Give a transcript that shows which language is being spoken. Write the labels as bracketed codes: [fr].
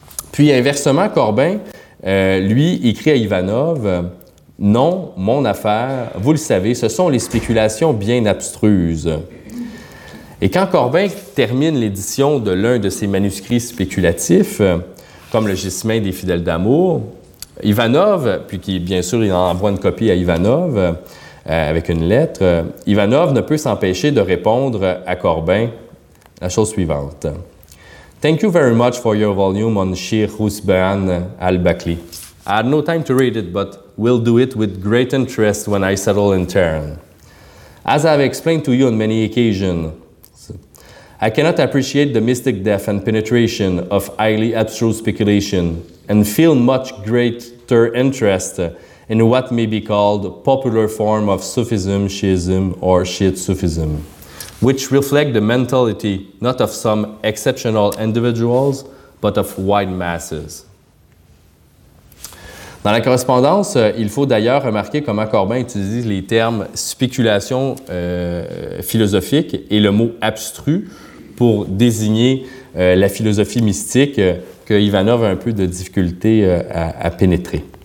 [fr] Puis, inversement, Corbin, lui, écrit à Ivanov, « Non, mon affaire, vous le savez, ce sont les spéculations bien abstruses. » Et quand Corbin termine l'édition de l'un de ses manuscrits spéculatifs, comme « Le Jasmin des fidèles d'amour », Ivanov, puis qui, bien sûr, il envoie une copie à Ivanov, avec une lettre, Ivanov ne peut s'empêcher de répondre à Corbin la chose suivante. [en] Thank you very much for your volume on Shir Rouzbehan al-Bakhli. I had no time to read it, but will do it with great interest when I settle in Tehran. As I have explained to you on many occasions, I cannot appreciate the mystic depth and penetration of highly abstruse speculation and feel much greater interest in what may be called popular form of Sufism, Shiism, or Shiite Sufism, which reflect the mentality not of some exceptional individuals, but of wide masses. [fr] Dans la correspondance, il faut d'ailleurs remarquer comment Corbin utilise les termes spéculation philosophique et le mot abstru pour désigner la philosophie mystique que Ivanov a un peu de difficulté à pénétrer.